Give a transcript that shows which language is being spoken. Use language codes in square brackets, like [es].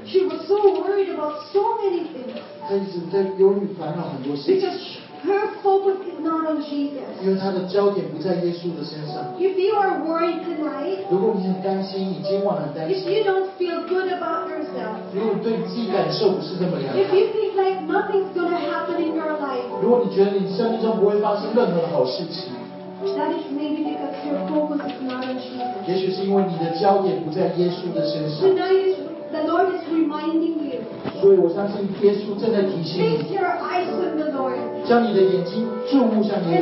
[en] She was so worried about so many things. [zh] 她一直在忧虑烦恼很多事情。 [en] Her focus is not on Jesus. [zh] 因为他的焦点不在耶稣的身上。 [en] If you are worried tonight, [zh] 如果你很担心，你今晚很担心。 [en] If you don't feel good about yourself, [zh] 如果对自己感受不是那么良好。 [en] If you think like nothing's gonna happen in your life, [zh] 如果你觉得你生命中不会发生任何好事情。 [en] That is maybe because your focus is not on Jesus. [zh] 也许是因为你的焦点不在耶稣的身上。 [en] Tonight, the Lord is reminding you. [zh] 所以我相信耶稣正在提醒你。 [en] Fix your eyes on the Lord. [zh] 将你的眼睛注目向耶稣，